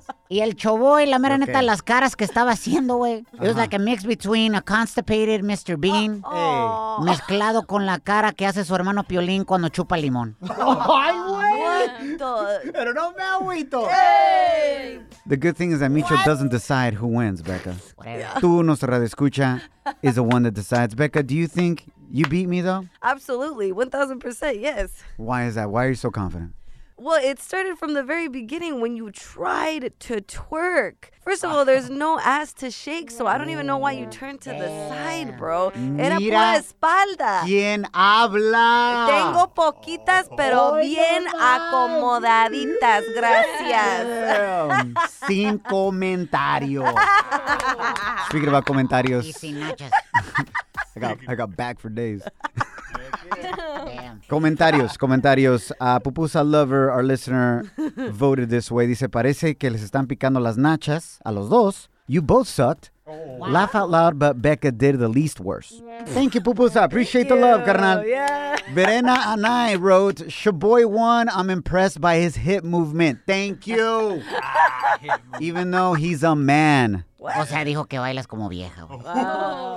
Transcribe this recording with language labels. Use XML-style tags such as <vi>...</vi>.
<es>Y el choboy, la mera neta, las caras que estaba haciendo, güey.</es> <en>It was like a mix between a constipated Mr.</en> <es>Bean mezclado con la cara que hace su hermano Piolín cuando chupa limón. ¡Ay, güey! Pero no me agüito.</es> <en>The good thing is that Micho doesn't decide who wins, Becca. Yeah.</en> <es>Tú, nuestra radio escucha,</es> <en>is the one that decides. Becca, do you think you beat me, though? Absolutely. 1,000%, yes. Why is that? Why are you so confident? Well, it started from the very beginning when you tried to twerk. First of all, there's no ass to shake, so I don't even know why you turned to the side, bro.</en> <es>Era pura espalda. ¿Quién habla? Tengo poquitas, pero bien acomodaditas, gracias. Sin comentario.</es> <en>Speaking about comentarios. I got back for days. Damn. Comentarios. Pupusa Lover, our listener, voted this way.</en> <es>Dice, parece que les están picando las nachas a los dos.</es> <en>You both sucked. Oh, wow. Laugh out loud, but Becca did the least worse. Yeah. Thank you, Pupusa. Appreciate the love, carnal. Yeah. Verena Anay wrote, Shaboy won. I'm impressed by his hip movement. Thank you. Even though he's a man.</en> <es>What? O sea, dijo que bailas como vieja. Oh.</es>